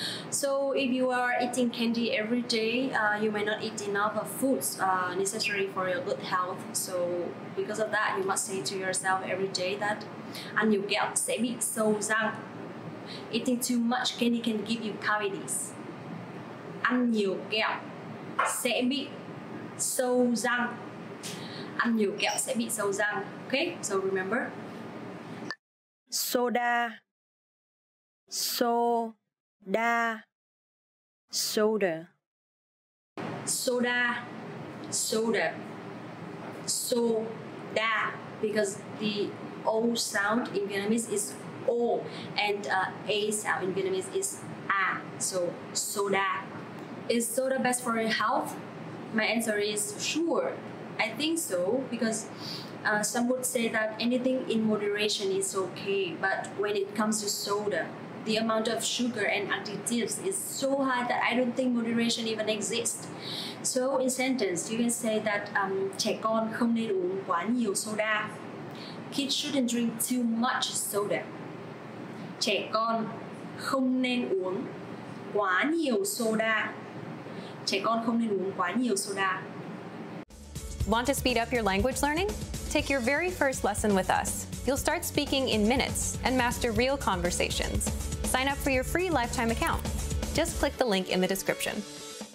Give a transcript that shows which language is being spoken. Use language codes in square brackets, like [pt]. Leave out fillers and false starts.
[en] So if you are eating candy every day, you may not eat enough of foods necessary for your good health. So because of that, you must say to yourself every day that [vi] ăn nhiều kẹo sẽ bị sâu răng. [en] Eating too much candy can give you cavities. [vi] Ăn nhiều kẹo sẽ bị sâu răng. Ăn nhiều kẹo sẽ bị sâu răng. [en] Okay, so remember. Soda. Soda. Soda. Soda. Soda. Soda. Because the O sound in Vietnamese is O, and A sound in Vietnamese is A. So soda. Is soda best for your health? My answer is sure. I think so, because some would say that anything in moderation is okay, but when it comes to soda, the amount of sugar and additives is so high that I don't think moderation even exists. So in sentence, you can say that [vi] trẻ con không nên uống quá nhiều soda. [en] Kids shouldn't drink too much soda. [vi] Trẻ con không nên uống quá nhiều soda. Trẻ con không nên uống quá nhiều soda. [en] Want to speed up your language learning? Take your very first lesson with us. You'll start speaking in minutes and master real conversations. Sign up for your free lifetime account. Just click the link in the description.